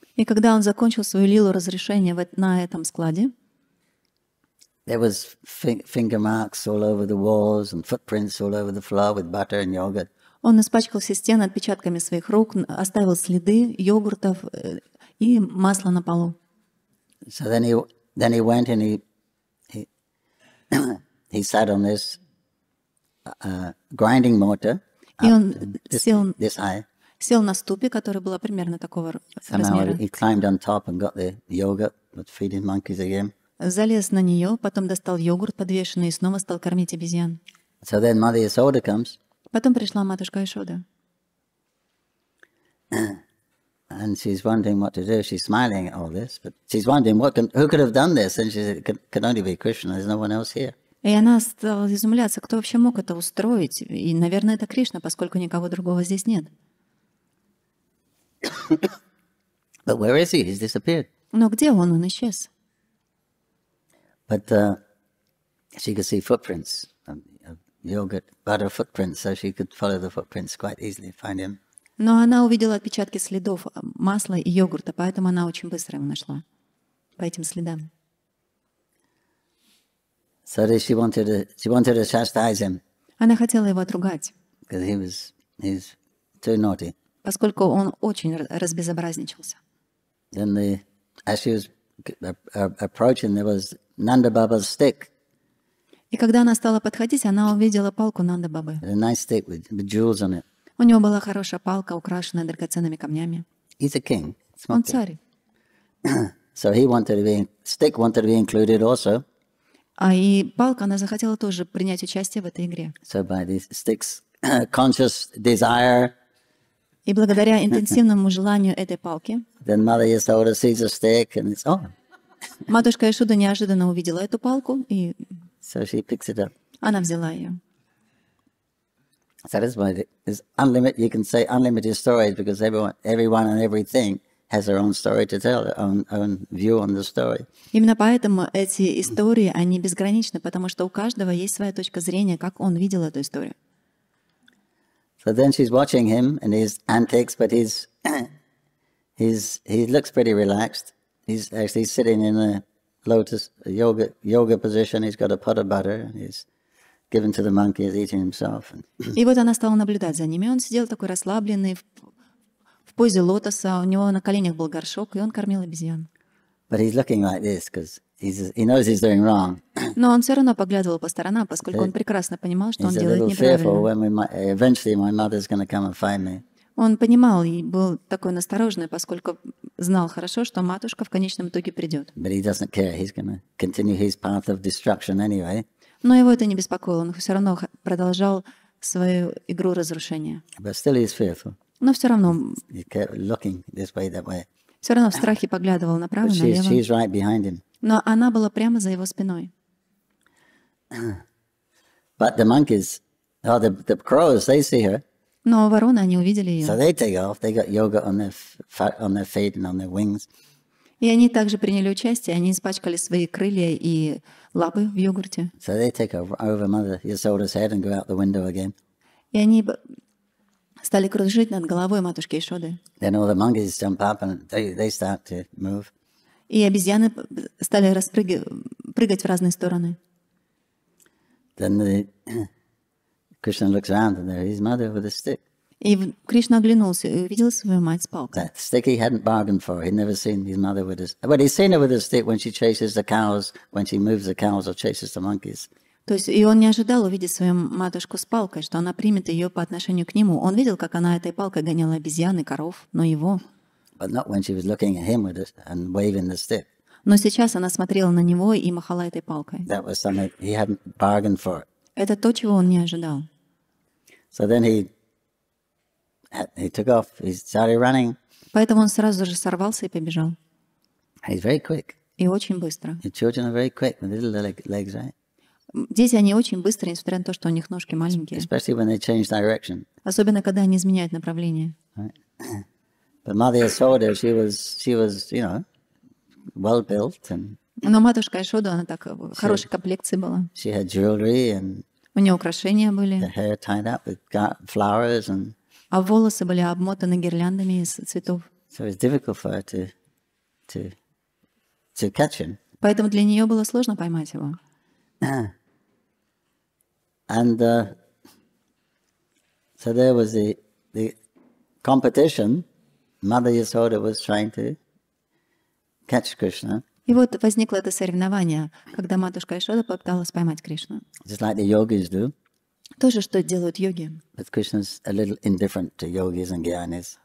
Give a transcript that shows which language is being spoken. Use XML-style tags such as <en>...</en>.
<ru>И когда он закончил свою лилу разрешения на этом складе,</ru> <en>there was finger marks all over the walls and footprints all over the floor with butter and yogurt.</en> <ru>Он испачкал все стены отпечатками своих рук, оставил следы йогуртов и масла на полу.</ru> <en>So then he went and he sat on this grinding mortar.</en> <ru>И он сел на ступе, которая была примерно такого размера.</ru> <en>He climbed on top and got the yogurt, but feeding monkeys again.</en> <ru>Залез на нее, потом достал йогурт подвешенный и снова стал кормить обезьян.</ru> <en>So then Mother Yashoda comes.</en> <ru>Потом пришла матушка Ишода.</ru> <en>And she's wondering what to do. She's smiling at all this, but she's wondering who could have done this. And she said, it can only be Krishna. There's no one else here.</en> <ru>И она стала изумляться, кто вообще мог это устроить. И, наверное, это Кришна, поскольку никого другого здесь нет.</ru> <en>But where is he? He's disappeared.</en> <ru>Но где он? Он исчез.</ru> <en>But she could see footprints of yogurt, butter footprints, so she could follow the footprints quite easily, find him.</en> <ru>Но она увидела отпечатки следов масла и йогурта, поэтому она очень быстро его нашла по этим следам.</ru> <en>So she wanted to chastise him.</en> <ru>Она хотела его отругать.</ru> <en>Because he's too naughty.</en> <ru>Поскольку он очень разбезобразничался.</ru> <en>Then as she was approaching, there was Nanda Baba's stick.</en> <ru>И когда она стала подходить, она увидела палку Нанда Бабы.</ru> <en>A nice stick with jewels on it.</en> <ru>У него была хорошая палка, украшенная драгоценными камнями.</ru> <en>He's a king.</en> <ru>Он царь.</ru> <en>So he wanted to be stick wanted to be included also.</en> <ru>А и палка, она захотела тоже принять участие в этой игре.</ru> <en>So by this stick's conscious desire.</en> <ru>И благодаря интенсивному желанию этой палки.</ru> <en>Then Mother Yashoda sees a stick and it's oh.</en> <ru>Матушка Ишуда неожиданно увидела эту палку и.</ru> <en>So she picks it up.</en> <ru>Она взяла ее.</ru> <en>So that is why there's unlimited. You can say unlimited stories because everyone and everything has their own story to tell, their own view on the story.</en> <ru>Именно поэтому эти истории они безграничны, потому что у каждого есть своя точка зрения, как он видел эту историю.</ru> <en>So then she's watching him and his antics, but he looks pretty relaxed. He's actually sitting in a lotus yoga position. He's got a pot of butter. He's given to the monkey. He's eating himself.</en> <ru>И вот она стала наблюдать за ним. Он сидел такой расслабленный в позе лотоса. У него на коленях был горшок, и он кормил обезьян.</ru> <en>But he's looking like this because he knows he's doing wrong.</en> <ru>Но он все равно поглядывал по сторонам, поскольку он прекрасно понимал, что он делает неправильно.</ru> <en>He's a little fearful when eventually my mother's going to come and find me.</en> <ru>Он понимал и был такой настороженный, поскольку знал хорошо, что матушка в конечном итоге придет.</ru> <en>But he doesn't care. He's going to continue his path of destruction anyway.</en> <ru>Но его это не беспокоило. Он все равно продолжал свою игру разрушения.</ru> <en>But still he's fearful.</en> <ru>Но все равно.</ru> <en>He kept looking this way, that way.</en> <ru>Все равно в страхе поглядывал направо,</ru> <en>but</en> <ru>налево.</ru> <en>She's right behind him.</en> <ru>Но она была прямо за его спиной.</ru> <en>But the monkeys, or the crows, they see her.</en> <ru>Но вороны, они увидели ее.</ru> <en>So they take off. They got yoga on their feet and on their wings.</en> <ru>И они также приняли участие. Они испачкали свои крылья и лапы в йогурте.</ru> <en>So they take over Mother Yashoda's head and go out the window again.</en> <ru>И они стали кружить над головой матушки Ишоды.</ru> <en>Then all the monkeys jump up and they start to move.</en> <ru>И обезьяны стали прыгать в разные стороны.</ru> <en>Then the Krishna looks around and there his mother with a stick.</en> <ru>И Кришна оглянулся и увидел свою мать с палкой.</ru> <en>That stick he hadn't bargained for. He'd never seen his mother with a stick. Well, he's seen her with a stick when she chases the cows, when she moves the cows or chases the monkeys.</en> <ru>То есть и он не ожидал увидеть свою матушку с палкой, что она примет ее по отношению к нему. Он видел, как она этой палкой гоняла обезьян и коров, но его.</ru> <en>But not when she was looking at him with it and waving the stick.</en> <ru>Но сейчас она смотрела на него и махала этой палкой.</ru> <en>That was something he hadn't bargained for.</en> <ru>Это то, чего он не ожидал.</ru> <en>So then he took off. He started running.</en> <ru>Поэтому он сразу же сорвался и побежал.</ru> <en>He's very quick.</en> <ru>И очень быстро.</ru> <en>The children are very quick with little legs, right?</en> <ru>Дети, они очень быстрые, несмотря на то, что у них ножки маленькие.</ru> <en>Especially when they change direction.</en> <ru>Особенно, когда они изменяют направление.</ru> <en>But Mother Yashoda, she was, you know, well built and.</en> <ru>Но матушка Яшода, она так хорошей комплекции была.</ru> <en>She had jewelry and.</en> <ru>У нее украшения были.</ru> <en>The hair tied up with flowers and.</en> <ru>А волосы были обмотаны гирляндами из цветов.</ru> <en>So it's difficult for her to catch him.</en> <ru>Поэтому для нее было сложно поймать его.</ru> <en>And so there was the competition. Mother Yashoda was trying to catch Krishna.</en> <ru>И вот возникло это соревнование, когда матушка Яшода попыталась поймать Кришну.</ru> <en>Just like the yogis do.</en> <ru>То же, что делают йоги.</ru> <en>But Krishna's a little indifferent to yogis and gyanis.</en>